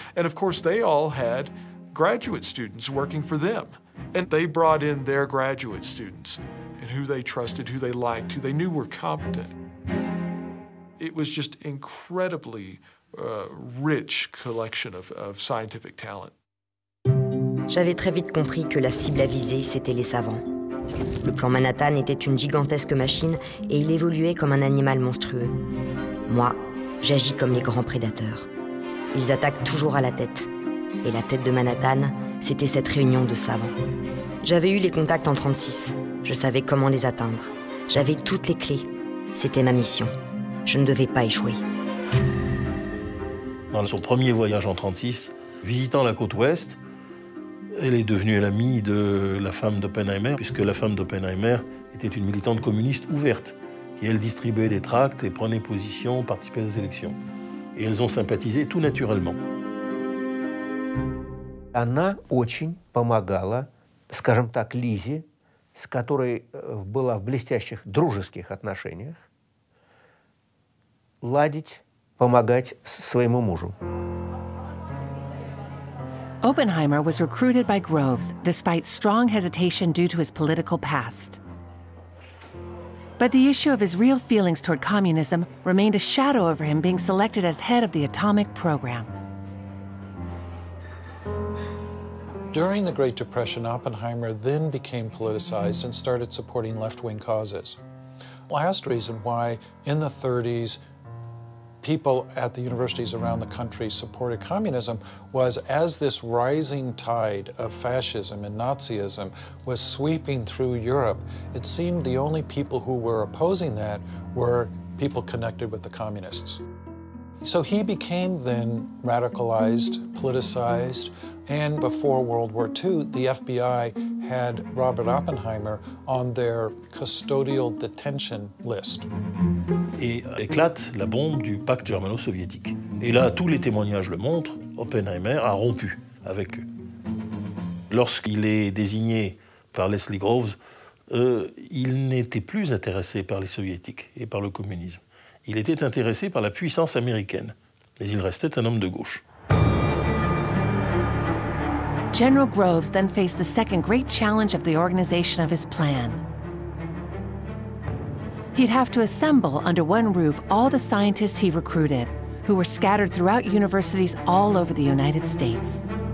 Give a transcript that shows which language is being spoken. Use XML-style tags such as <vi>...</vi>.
<en>And of course, they all had graduate students working for them. And they brought in their graduate students and who they trusted, who they liked, who they knew were competent. It was just incredibly rich collection of scientific talent.</en> <fr>J'avais très vite compris que la cible à viser, c'était les savants. Le plan Manhattan était une gigantesque machine et il évoluait comme un animal monstrueux. Moi, j'agis comme les grands prédateurs. Ils attaquent toujours à la tête. Et la tête de Manhattan, c'était cette réunion de savants. J'avais eu les contacts en 36. Je savais comment les atteindre. J'avais toutes les clés. C'était ma mission. Je ne devais pas échouer. Dans son premier voyage en 36, visitant la côte ouest, elle est devenue l'amie de la femme d'Oppenheimer, puisque la femme d'Oppenheimer était une militante communiste ouverte, Et elles distribuaient des tracts et prenaient position, participaient aux élections. Et elles ont sympathisé tout naturellement.</fr> <ru>Она очень помогала, скажем так, Лизе, с которой была в блестящих дружеских отношениях, ладить, помогать своему мужу.</ru> <en>Oppenheimer was recruited by Groves despite strong hesitation due to his political past. But the issue of his real feelings toward communism remained a shadow over him being selected as head of the atomic program. During the Great Depression, Oppenheimer then became politicized and started supporting left-wing causes. Last reason why in the 30s people at the universities around the country supported communism was as this rising tide of fascism and Nazism was sweeping through Europe, it seemed the only people who were opposing that were people connected with the communists. So he became then radicalized, politicized, and before World War II, the FBI had Robert Oppenheimer on their custodial detention list.</en> <fr>Et éclate la bombe du pacte germano-soviétique. Et là, tous les témoignages le montrent, Oppenheimer a rompu avec eux. Lorsqu'il est désigné par Leslie Groves, il n'était plus intéressé par les soviétiques et par le communisme. Il était intéressé par la puissance américaine, mais il restait un homme de gauche.</fr> <en>General Groves then faced the second great challenge of the organization of his plan. He'd have to assemble under one roof all the scientists he recruited, who were scattered throughout universities all over the United States.</en>